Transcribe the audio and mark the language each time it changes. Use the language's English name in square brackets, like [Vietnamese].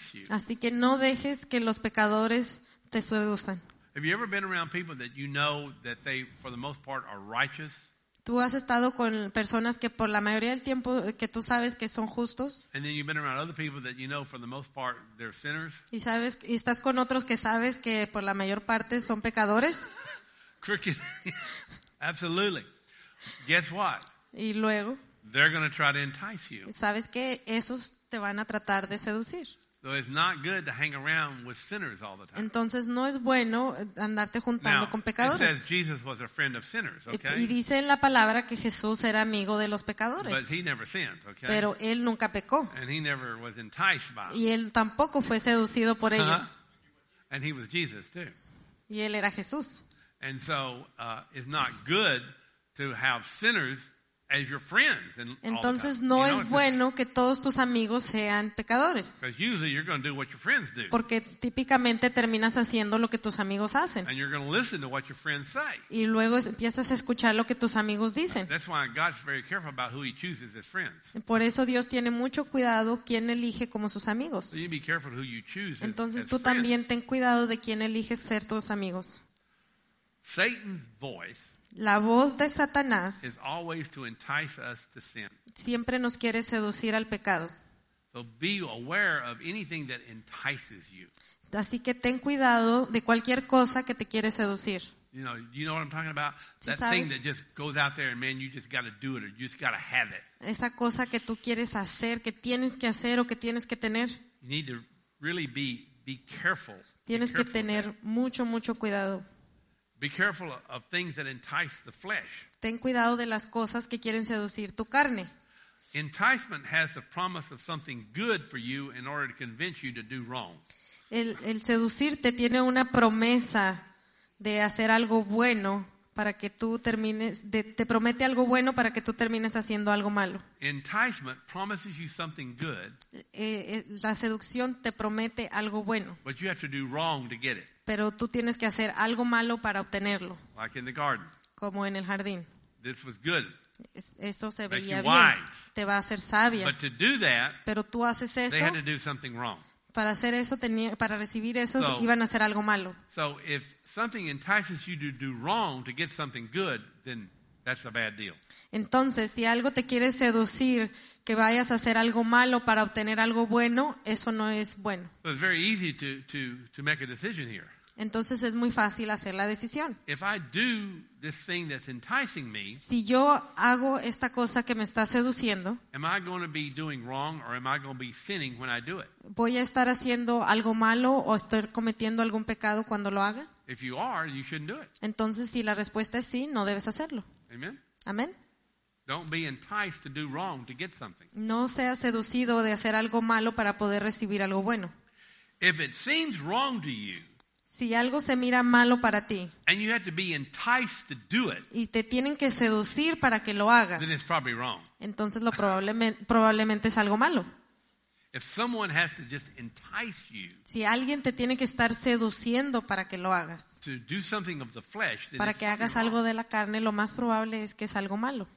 [Spanish] Así que no dejes que los pecadores te seduzcan. [English] Have you ever been around people that you know that they, for the most part, are righteous? [Spanish] ¿Tú has estado con personas que por la mayoría del tiempo que tú sabes que son justos? [English] And then you've been around other people that you know, for the most part, they're sinners. [Spanish] ¿Y sabes? ¿Y estás con otros que sabes que por la mayor parte son pecadores? [English] Crooked. Absolutely. Guess what? [Spanish] ¿Y luego? [English] They're going to try to entice you. [Spanish] ¿Sabes qué? Esos te van a tratar de seducir. [English] So it's not good to hang around with sinners all the time. [Spanish] Entonces no es bueno andarte juntando [English] Now, [Spanish] con pecadores. [English] It says Jesus was a friend of sinners, okay? [Spanish] Y dice en la palabra que Jesús era amigo de los pecadores. [English] But he never sinned, okay? [Spanish] Pero él nunca pecó. [English] And he never was enticed by them. [Spanish] Y él tampoco fue seducido por ellos. [English] And he was Jesus too. [Spanish] Y él era Jesús. [English] And so it's not good to have sinners as your friends and [Spanish] Entonces no es bueno que todos tus amigos sean pecadores. [English] Because usually you're going to do what your friends do. [Spanish] Porque típicamente terminas haciendo lo que tus amigos hacen. [English] And you're going to listen to what your friends say. [Spanish] Y luego empiezas a escuchar lo que tus amigos dicen. [English] That's why God's very careful about who he chooses as friends. [Spanish] Por eso Dios tiene mucho cuidado quién elige como sus amigos. [English] So you be careful who you choose as friends. [Spanish] Entonces tú también ten cuidado de quién eliges ser tus amigos. [English] Satan's voice [Spanish] La voz de Satanás [English] is always to entice us to sin. [Spanish] Siempre nos quiere seducir al pecado. [English] So be aware of anything that entices you. [Spanish] Así que ten cuidado de cualquier cosa que te quiere seducir. [English] You know what I'm talking about? That [Spanish] ¿sabes? [English] Thing that just goes out there and man, you just got to do it or you just got to have it. [Spanish] Esa cosa que tú quieres hacer, que tienes que hacer o que tienes que tener. [English] You need to really be careful. [Spanish] Tienes que tener mucho cuidado. [English] Be careful of things that entice the flesh. [Spanish] Ten cuidado de las cosas que quieren seducir tu carne. [English] Enticement has the promise of something good for you in order to convince you to do wrong. [Spanish] El seducirte tiene una promesa de hacer algo bueno para que tú termines te promete algo bueno para que tú termines haciendo algo malo. [English] Enticement promises you something good. [Spanish] La seducción te promete algo bueno. [English] But you have to do wrong to get it. [Spanish] Pero tú tienes que hacer algo malo para obtenerlo. [English] Like in the garden. [Spanish] Como en el jardín. [English] This was good. [Spanish] Eso se [English] Make [Spanish] veía [English] you [Spanish] bien. [English] Wise. [Spanish] Te va a hacer sabia. [English] But to do that, [Spanish] Pero tú haces eso. [English] They had to do something wrong. [Spanish] Para hacer eso para recibir eso iban a hacer algo malo. [English] So if something entices you to do wrong to get something good, then that's a bad deal. [Spanish] Entonces, si algo te quiere seducir que vayas a hacer algo malo para obtener algo bueno, eso no es bueno. [English] But it's very easy to make a decision here. [Spanish] Entonces es muy fácil hacer la decisión. [English] If I do this thing that's enticing me, [Spanish] si yo hago esta cosa que me está seduciendo, [English] am I going to be doing wrong or am I going to be sinning when I do it? [Spanish] ¿Voy a estar haciendo algo malo o estoy cometiendo algún pecado cuando lo haga? [English] If you are, you shouldn't do it. [Spanish] Entonces, si la respuesta es sí, no debes hacerlo. [English] Amen. [Spanish] Amen. [English] Don't be enticed to do wrong to get something. [Spanish] No seas seducido de hacer algo malo para poder recibir algo bueno. [English] If it seems wrong to you, [Spanish] si algo se mira malo para ti, [English] and you have to be enticed to do it, [Spanish] y te tienen que seducir para que lo hagas, [English] then it's probably wrong. [Spanish] Entonces, probablemente es algo malo. [English] If someone has to just entice you, [Spanish] si alguien te tiene que estar seduciendo para que lo hagas, [English] to do something of the flesh, then [Spanish] para que hagas algo de la carne, lo más probable es que es algo malo.